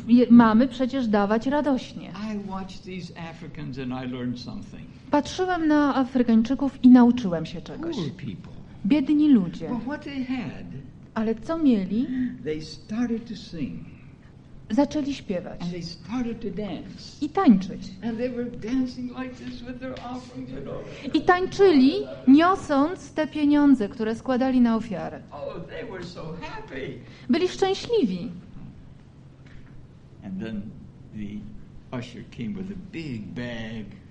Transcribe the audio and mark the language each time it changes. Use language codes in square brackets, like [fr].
[pl] Mamy przecież dawać radośnie. [en] I watched these Africans and I learned something. [pl] Patrzyłem na Afrykańczyków i nauczyłem się czegoś. [en] Poor people. [pl] Biedni ludzie. [en] Well, what they had, [pl] ale co mieli? [en] They started to sing. [pl] Zaczęli śpiewać. [en] And they started to dance. [pl] I tańczyć. [en] And they were dancing like this with their offerings, you know? [pl] I tańczyli, niosąc te pieniądze, które składali na ofiarę. [en] Oh, they were so happy. [pl] Byli szczęśliwi. [en] And then the usher came with a big bag.